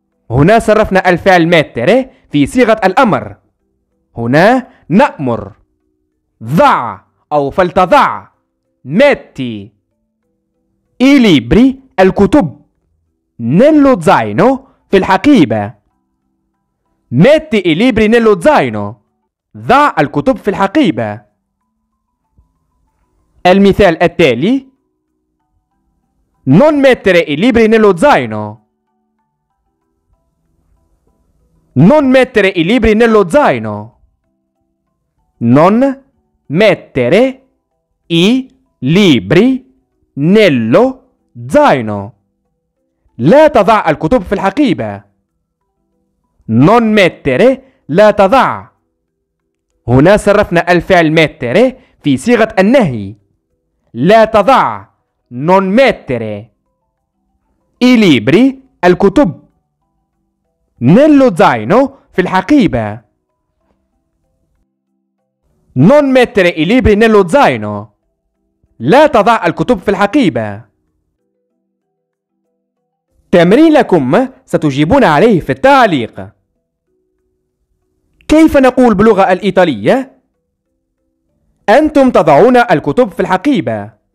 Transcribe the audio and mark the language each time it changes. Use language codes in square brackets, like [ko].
[ar] هنا صرفنا الفعل mettere في صيغة الأمر. هنا نأمر ضع أو فلتضع [it] metti i libri الكتب nello zaino [ar] في الحقيبة. [it] metti i libri nello zaino [ar] ضع الكتب في الحقيبة. المثال التالي: [it] Non mettere i libri nello zaino. Non mettere i libri nello zaino. Non mettere i libri nello zaino. [ar] لا تضع الكتب في الحقيبة. [it] Non mettere, [ar] لا تضع. هنا صرفنا الفعل mettere في صيغة النهي. لا تضع. [it] Non mettere. I libri, الكتب. Nello zaino, [ar] في الحقيبة. [it] Non mettere i libri nello zaino. [ar] لا تضع الكتب في الحقيبة. تمرين لكم ستجيبون عليه في التعليق. كيف نقول باللغة الإيطالية؟ أنتم تضعون الكتب في الحقيبة.